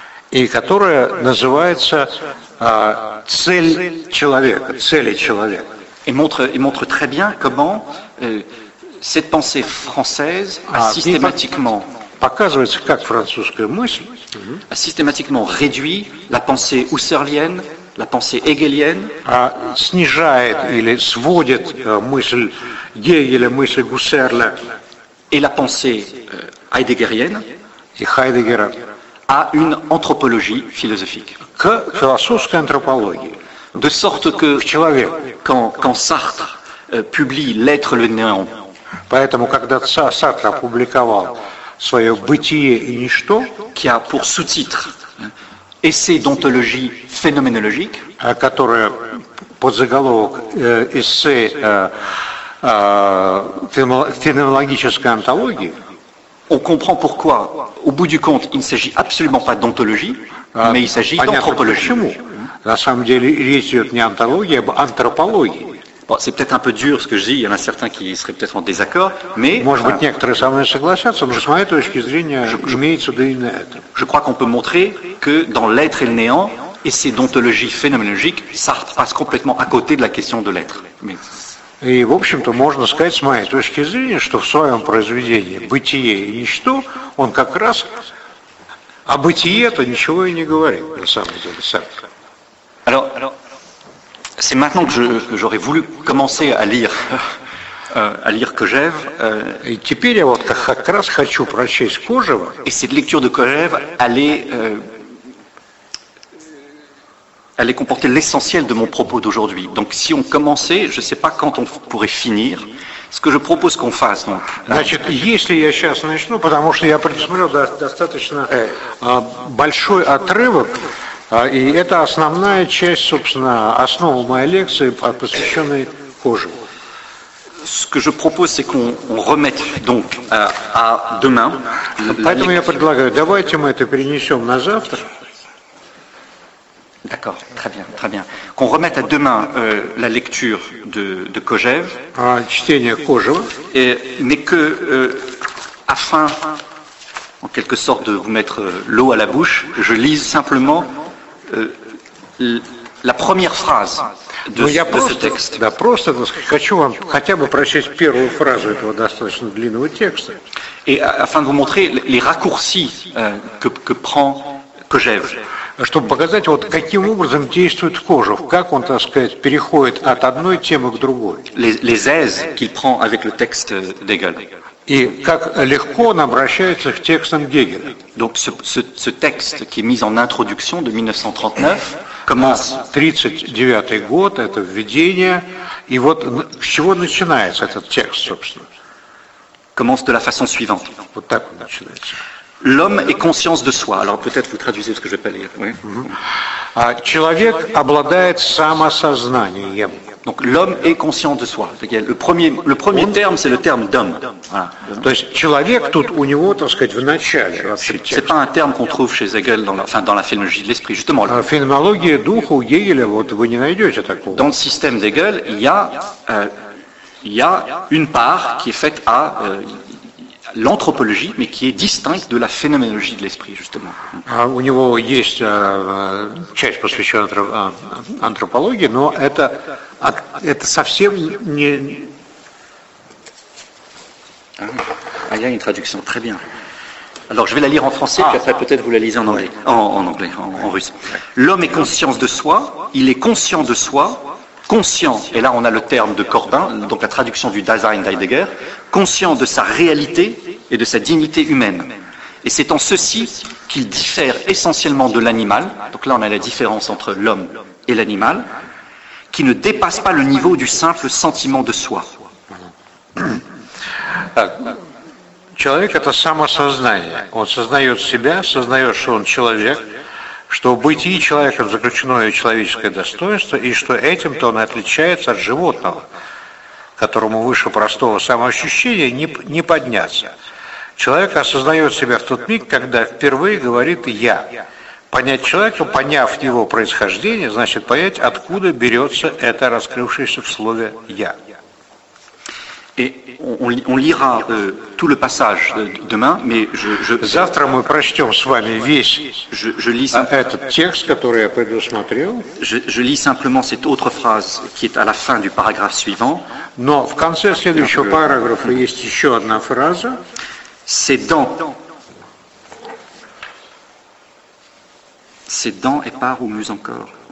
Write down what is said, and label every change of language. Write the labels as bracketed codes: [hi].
[ru] И которая называется цель человека, цели человека. [fr] Et montre très bien comment cette pensée française a systématiquement [ru] показывает, как французская мысль [fr] a systématiquement réduit la pensée husserlienne, la pensée hegelienne, [ru] снижает или сводит мысль Гегеля, мысль Гуссерля [fr] et la pensée heideggerienne [ru] и Хайдеггера. [fr] À une anthropologie philosophique. [ru] К философской антропологии. [fr] De sorte que quand Sartre publie L'être le néant. [ru] Поэтому когда Сартр опубликовал свое бытие и ничто, [fr] qui a pour sous-titre Essai d'ontologie phénoménologique, [ru] которое под заголовок эссе феноменологической антологии. [fr] On comprend pourquoi, au bout du compte, il ne s'agit absolument pas d'ontologie, mais il s'agit d'anthropologie. [ru] На самом деле, речь идет не антологии, а антропологии. [fr] Bon, c'est peut-être un peu dur ce que je dis, il y en a certains qui seraient peut-être en désaccord, mais... [ru] Может быть, некоторые со мной согласятся, но с моей точки зрения, имеется да и на это. [fr] Je crois qu'on peut montrer que dans l'être et le néant, et ces d'ontologie phénoménologique, Sartre passe complètement à côté de la question de l'être. Mais... [ru] И, в общем-то, можно сказать, с моей точки зрения, что в своем произведении «Бытие и ничто» он как раз о бытие-то ничего и не говорит, на самом деле, Сартр. [fr] Alors, c'est maintenant que j'aurais voulu commencer à lire Kojève. [ru] И теперь я вот как раз хочу прочесть Кожева. [fr] Et cette lecture de Kojève allait... Elle est comportée l'essentiel de mon propos d'aujourd'hui. Donc, si on commençait, je ne sais pas quand on pourrait finir. Ce que je propose qu'on fasse, donc. [ru] Значит, если я сейчас начну, потому что я предусмотрел достаточно большой отрывок, и это основная часть, собственно, основа моей лекции, посвященной Кожеву. [fr] Ce que je propose, c'est qu'on remette donc à demain. [ru] Поэтому я предлагаю, давайте мы это перенесем на завтра. [fr] D'accord, très bien, très bien. Qu'on remette à demain la lecture de Kojève. [ru] Чтение Кожева. [fr] Mais que, afin, en quelque sorte, de vous mettre l'eau à la bouche, je lise simplement la première phrase de ce texte. [ru] Да, просто, хочу вам хотя бы прочесть первую фразу этого достаточно длинного текста. [fr] Et afin de vous montrer les raccourcis que prend Kojève. [ru] Чтобы показать, вот каким образом действует Кожев, как он, так сказать, переходит от одной темы к другой. [fr] Les aises qu'il prend avec le texte d'Hegel. [ru] И как легко он обращается к текстам Гегеля. [fr] Donc ce texte qui est mis en introduction de 1939 commence... [ru] 1939 год, это введение, и вот с чего начинается этот текст, собственно? [fr] Commence de la façon suivante. [ru] Вот так он начинается. [fr] L'homme est conscience de soi. Alors peut-être vous traduisez ce que je vais pas lire. Oui. [ru] Человек обладает самосознанием. [fr] Donc l'homme est conscient de soi. Le premier terme, c'est le terme d'homme. Voilà. [ru] То есть человек тут у него, так сказать, в начале. [fr] C'est pas un terme qu'on trouve chez Hegel dans la phénoménologie de l'esprit, justement. [ru] В феноменологии духа у Гегеля вот вы не найдете такого. [fr] Dans le système d'Hegel, il y a une part qui est faite à l'anthropologie, mais qui est distincte de la phénoménologie de l'esprit, justement. [ru] У него есть часть, посвященная антропологии, но это это совсем не. [fr] Ah, il y a une traduction, très bien. Alors, je vais la lire en français, puis après peut-être vous la lisez en anglais, en russe. L'homme est conscient de soi, il est conscient de soi, conscient, et là on a le terme de Corbin, donc la traduction du Dasein d'Heidegger, conscient de sa réalité et de sa dignité humaine. Et c'est en ceci qu'il diffère essentiellement de l'animal, donc là on a la différence entre l'homme et l'animal, qui ne dépasse pas le niveau du simple sentiment de soi. [ru] Человек — это самосознание. Он сознает себя, сознает, что он человек, что в бытии человека заключено ее человеческое достоинство, и что этим-то он отличается от животного, которому выше простого самоощущения не подняться. Человек осознает себя в тот миг, когда впервые говорит «я». Понять человека, поняв его происхождение, значит понять, откуда берется это раскрывшееся в слове «я». [fr] Et on lira tout le passage demain, mais je [ru] Завтра мы прочтем с вами весь этот текст, который я предусмотрел. [fr] Je lis simplement cette autre phrase qui est à la fin du paragraphe suivant. [ru] Но в конце следующего параграфа есть еще одна фраза. [fr] Ses dents épars ou mieux encore.